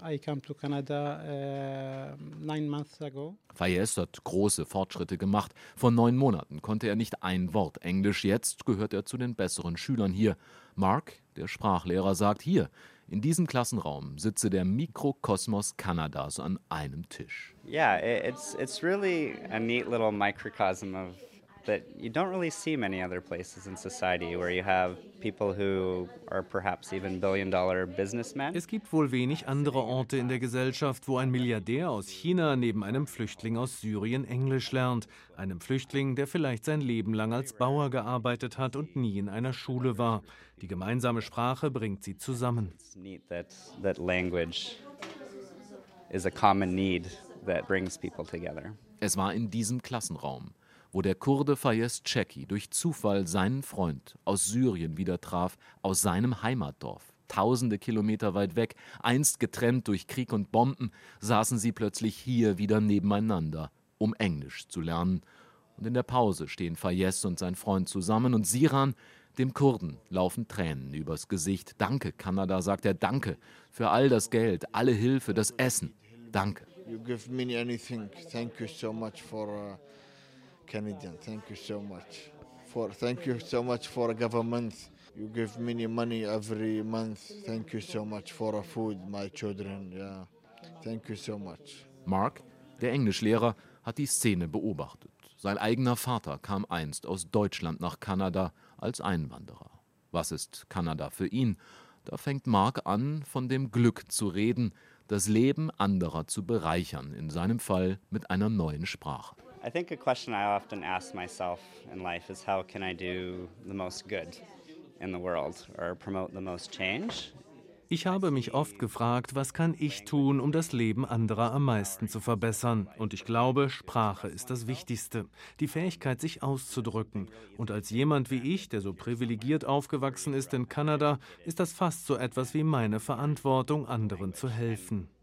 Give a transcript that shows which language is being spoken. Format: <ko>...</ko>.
<en>I came to Canada 9 months ago.</en> <de>Faiz hat große Fortschritte gemacht. Vor 9 Monaten konnte er nicht ein Wort Englisch. Jetzt gehört er zu den besseren Schülern hier. Mark, der Sprachlehrer, sagt hier, in diesem Klassenraum sitze der Mikrokosmos Kanadas an einem Tisch.</de> <en>Yeah, it's really a neat little microcosm of that you don't really see many other places in society where you have people who are perhaps even billion-dollar businessmen.</en> <de>Es gibt wohl wenig andere Orte in der Gesellschaft, wo ein Milliardär aus China neben einem Flüchtling aus Syrien Englisch lernt. Einem Flüchtling, der vielleicht sein Leben lang als Bauer gearbeitet hat und nie in einer Schule war. Die gemeinsame Sprache bringt sie zusammen.</de> <en>It's neat that language is a common need that brings people together.</en> <de>Es war in diesem Klassenraum, wo der Kurde Fayez Checky durch Zufall seinen Freund aus Syrien wieder traf, aus seinem Heimatdorf. Tausende Kilometer weit weg, einst getrennt durch Krieg und Bomben, saßen sie plötzlich hier wieder nebeneinander, um Englisch zu lernen. Und in der Pause stehen Fayez und sein Freund zusammen und Siran, dem Kurden, laufen Tränen übers Gesicht. Danke, Kanada, sagt er, danke für all das Geld, alle Hilfe, das Essen. Danke.</de> <en>You give me anything. Thank you so much for Canadian, thank you so much for government. You give me money every month. Thank you so much for food, my children. Yeah, thank you so much.</en> <de>Mark, der Englischlehrer, hat die Szene beobachtet. Sein eigener Vater kam einst aus Deutschland nach Kanada als Einwanderer. Was ist Kanada für ihn? Da fängt Mark an, von dem Glück zu reden, das Leben anderer zu bereichern. In seinem Fall mit einer neuen Sprache.</de> <en>I think a question I often ask myself in life is how can I do the most good in the world or promote the most change?</en> <de>Ich habe mich oft gefragt, was kann ich tun, um das Leben anderer am meisten zu verbessern? Und ich glaube, Sprache ist das Wichtigste. Die Fähigkeit, sich auszudrücken. Und als jemand wie ich, der so privilegiert aufgewachsen ist in Kanada, ist das fast so etwas wie meine Verantwortung, anderen zu helfen.</de>